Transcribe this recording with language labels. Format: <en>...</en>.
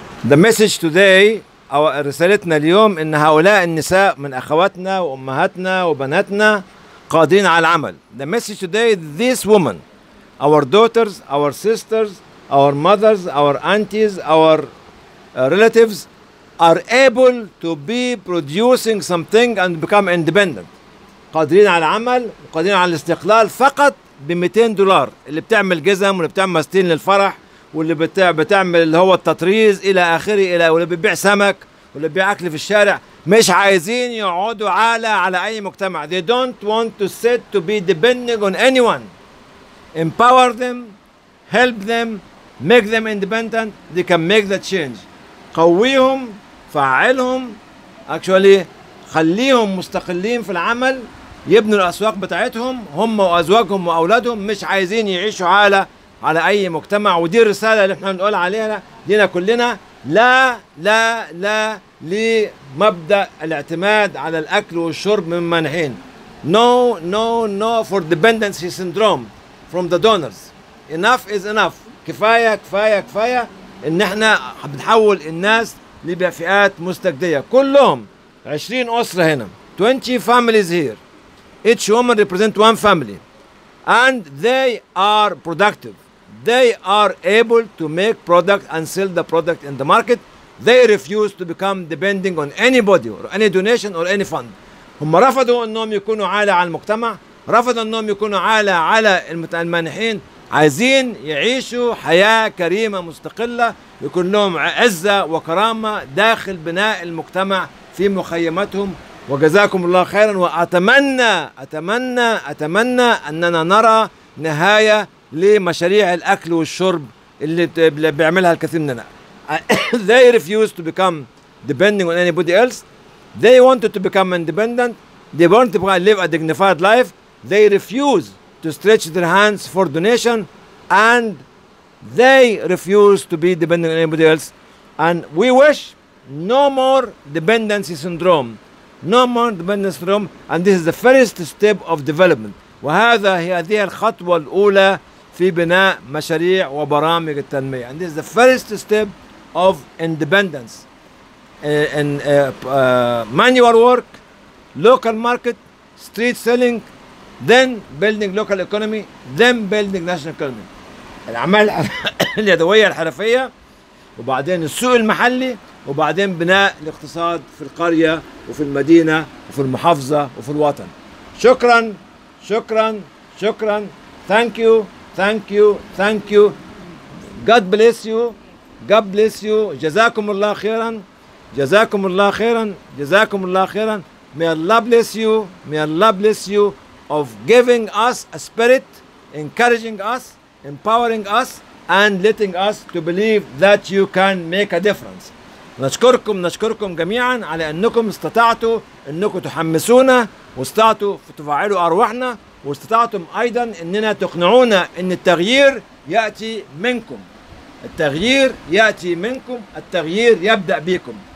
<en>The message today,</en> <ar>رسالتنا اليوم ان هؤلاء النساء من اخواتنا وامهاتنا وبناتنا قادرين على العمل.</ar> <en>The message today, these women, our daughters, our sisters, our mothers, our aunties, our relatives are able to be producing something and become independent.</en> <ar>قادرين على العمل وقادرين على الاستقلال فقط ب $200. اللي بتعمل جزم واللي بتعمل ماستين للفرح واللي بتعمل اللي هو التطريز الى اخره، الى واللي بيبيع سمك واللي بيبيع اكل في الشارع، مش عايزين يقعدوا على اي مجتمع.</ar> <en>They don't want to sit to be depending on anyone. Empower them, help them, make them independent. They can make the change.</en> <ar>قويهم، فعلهم، اكشوالي خليهم مستقلين في العمل، يبنوا الاسواق بتاعتهم هم وازواجهم واولادهم، مش عايزين يعيشوا على اي مجتمع. ودي الرساله اللي احنا بنقول عليها لينا كلنا، لا لا لا لمبدا الاعتماد على الاكل والشرب من مانحين.</ar> <en>No no no for dependency syndrome from the donors. Enough is enough,</en> <ar>كفايه كفايه كفايه ان احنا بنحول الناس لفئات مستجديه. كلهم 20 اسره هنا،</ar> <en>20 families here, each woman represent one family and they are productive, they are able to make product and sell the product in the market. They refuse to become depending on anybody or any donation or any fund.</en> <ar>هم رفضوا انهم يكونوا عاله على المجتمع، رفضوا انهم يكونوا عاله على المانحين، عايزين يعيشوا حياه كريمه مستقله، يكون لهم عزه وكرامه داخل بناء المجتمع في مخيماتهم. وجزاكم الله خيرا، واتمنى اتمنى اتمنى اننا نرى نهايه لمشاريع الاكل والشرب اللي بيعملها الكثير مننا.</ar> <en>They refuse to become depending on anybody else. They wanted to become independent. They want to live a dignified life. They refuse to stretch their hands for donation and they refuse to be depending on anybody else. And we wish no more dependency syndrome. No more dependency syndrome. And this is the first step of development.</en> <ar>وهذا هي هذه الخطوة الأولى في بناء مشاريع وبرامج التنمية.</ar> <en>And this is the first step of independence in manual work, local market, street selling, then building local economy, then building national economy.</en> <ar>العمل اليدوية الحرفية وبعدين السوق المحلي وبعدين بناء الاقتصاد في القرية وفي المدينة وفي المحافظة وفي الوطن. شكرا شكرا شكرا.</ar> <en>Thank you thank you thank you. God bless you. God bless you.</en> <ar>جزاكم الله خيرا جزاكم الله خيرا جزاكم الله خيرا.</ar> <en>May Allah bless you. May Allah bless you of giving us a spirit, encouraging us, empowering us and letting us to believe that you can make a difference.</en> <ar>نشكركم نشكركم جميعا على انكم استطعتوا انكم تحمسونا واستطعتوا تفعلوا ارواحنا واستطعتم ايضا اننا تقنعونا ان التغيير ياتي منكم. التغيير يأتي منكم، التغيير يبدأ بكم.</ar>